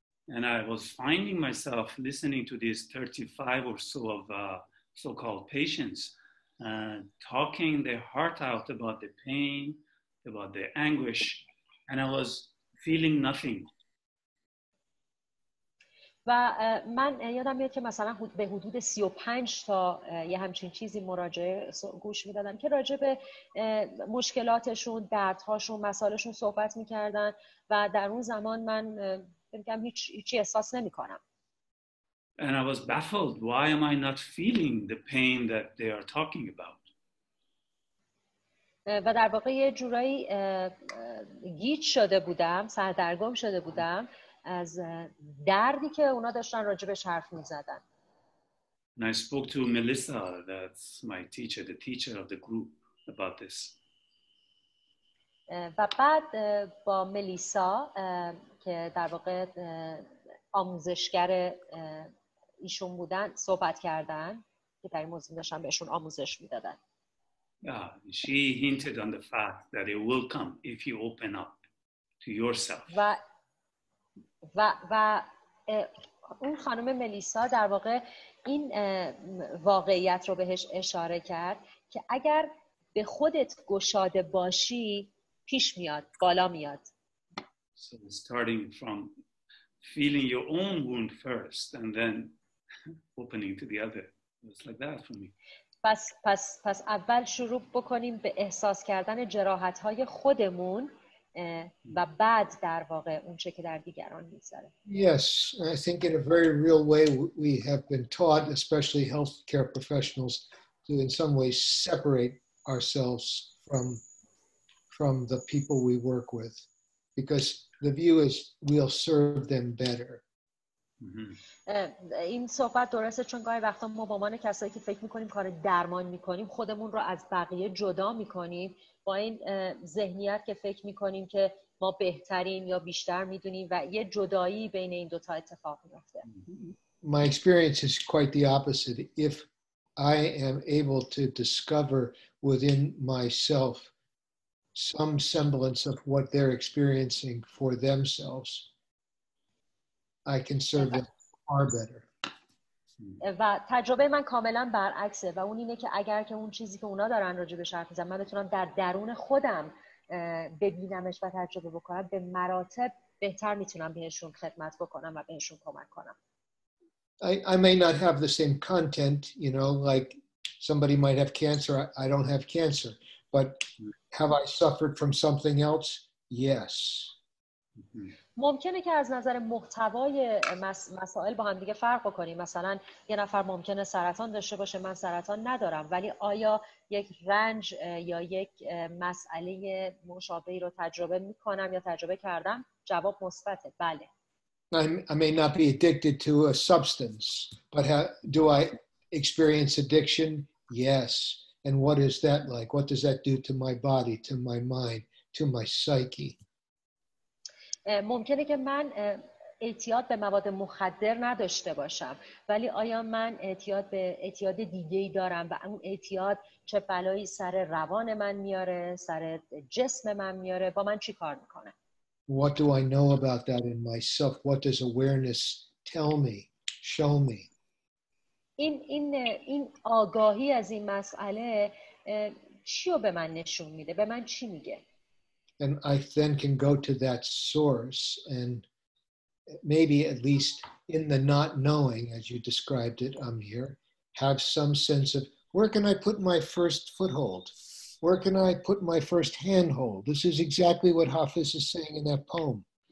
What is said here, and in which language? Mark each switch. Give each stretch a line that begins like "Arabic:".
English: And I was finding myself listening to these 35 or so of so-called patients talking their heart out about the pain, about the anguish, and I was feeling nothing.
Persian: و من یادم میاد که مثلا به حدود 35 تا یه همچین چیزی مراجعه گوش میدادم که راجع به مشکلاتشون، دردهاشون، مسائلشون صحبت میکردن و در اون زمان من میگم هیچی احساس نمیکنم.
English: And I was baffled. Why am I not feeling the pain that they are talking about?
Persian: و در واقع یه جورایی گیج شده بودم، سردرگم شده بودم از دردی که اونا داشتن راجبش حرف می‌زدن.
English: And I spoke to Melissa, that's my teacher, the teacher of the group, about this.
Persian: و بعد با ملیسا که در واقع آموزشگر ایشون بودن صحبت کردن که در این موضوع داشتن بهشون آموزش می‌دادن.
English: Yeah, she hinted on the fact that it will come if you open up to yourself.
Persian: و اون خانم ملیسا در واقع این واقعیت رو بهش اشاره کرد که اگر به خودت گشاده باشی پیش میاد، بالا میاد.
English: So starting from feeling your own wound first and then opening to the other. It's like that for me.
Persian: پس اول شروع بکنیم به احساس کردن جراحت های خودمون و بعد در واقع اون چه که در دیگران می‌ذاره.
English: Yes, I think in a very real way we have been taught, especially healthcare professionals, to in some ways separate ourselves from the people we work with, because the view is we'll serve them better.
Persian: این صحبت درسته، چون گاهی وقتا ما با من کسایی که فکر می‌کنیم کار درمان می‌کنیم خودمون رو از بقیه جدا می‌کنیم با این ذهنیت که فکر می‌کنیم که ما بهترین یا بیشتر می‌دونیم و یه جدایی بین این دوتا اتفاق می‌افته.
English: My experience is quite the opposite. If I am able to discover within myself some semblance of what they're experiencing for themselves, I can serve them far better.
Persian: و تجربه من کاملا برعکسه و اون اینه که اگر که اون چیزی که اونا دارن راجع به شرط میزن من بتونم در درون خودم ببینمش و تجربه بکنم به مراتب بهتر میتونم بهشون خدمت بکنم و بهشون کمک کنم.
English: I may not have the same content, you know, like somebody might have cancer, I don't have cancer, but have I suffered from something else? Yes.
Persian: ممکنه که از نظر محتوای مسائل با هم دیگه فرق بکنیم، مثلا یه نفر ممکنه سرطان داشته باشه، من سرطان ندارم، ولی آیا یک رنج یا یک مسئله مشابهی رو تجربه میکنم یا تجربه کردم؟ جواب مثبته، بله.
English: I may not be addicted to a substance, but do I experience addiction? Yes. And what is that like? What does that do to my body, to my mind, to my psyche?
Persian: ممکنه که من اعتیاد به مواد مخدر نداشته باشم ولی آیا من اعتیاد به اعتیاد دیگه‌ای دارم و اون اعتیاد چه بلایی سر روان من میاره سر جسم من میاره با من چی کار میکنه
English: What do I know about that in myself? What does awareness tell me? Show me.
Persian: این آگاهی از این مسئله چی رو به من نشون میده؟ به من چی میگه؟
English: And I then can go to that source and maybe at least in the not knowing, as you described it, Amir, have some sense of where can I put my first foothold? Where can I put my first handhold? This is exactly what Hafiz is saying in that poem.